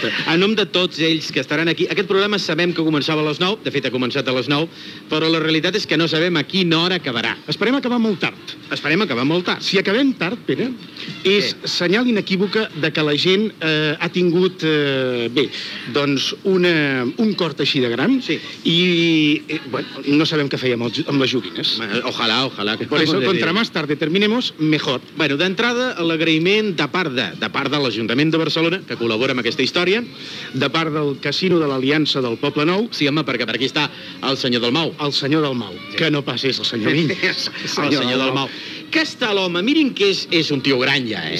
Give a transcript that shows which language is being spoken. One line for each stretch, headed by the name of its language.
Catalan: A nom de tots ells que estaran aquí, aquest programa sabem que començava a les 9, de fet ha començat a les 9, però la realitat és que no sabem a quina hora acabarà. Esperem acabar molt tard. Si acabem tard, Pere, és senyal inequívoca de que la gent ha tingut, bé, doncs un cort així de gran i, bueno, no sabem què fèiem amb les joguines. Ojalà.
Spanish: Por eso, contra más tarde terminemos, mejor.
Catalan: Bueno, d'entrada, l'agraïment de part de l'Ajuntament de Barcelona, que col·labora amb aquesta història, de part del Casino de l'Aliança del Poble Nou. Sí, home, perquè per aquí està el senyor Dalmau. El senyor Dalmau. Que no passés el senyor Vinyes. El senyor Dalmau. Que està l'home, mirin que és un tio gran ja, eh?